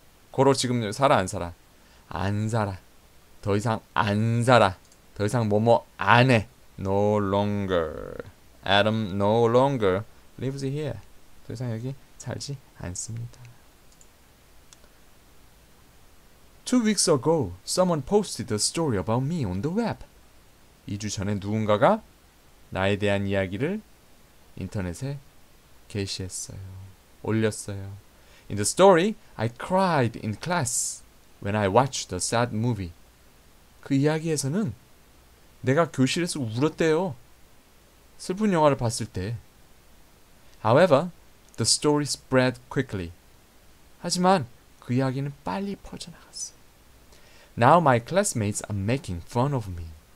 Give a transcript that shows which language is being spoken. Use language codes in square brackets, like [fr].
[ko] 고로 지금 살아 안 살아? 안 살아. 더 이상 안 살아. 더 이상 뭐뭐 안 해. [en] No longer. Adam no longer lives here. [ko] 더 이상 여기 살지 않습니다. [en] Two weeks ago, someone posted a story about me on the web. [ko] 2주 전에 누군가가 나에 대한 이야기를 인터넷에 게시했어요. 올렸어요. [en] In the story, I cried in class when I watched the sad movie. [ko] 그 이야기에서는 내가 교실에서 울었대요. 슬픈 영화를 봤을 때. [en] However, the story spread quickly. [ko] 하지만 그 이야기는 빨리 퍼져나갔어. [en] Now my classmates are making fun of me.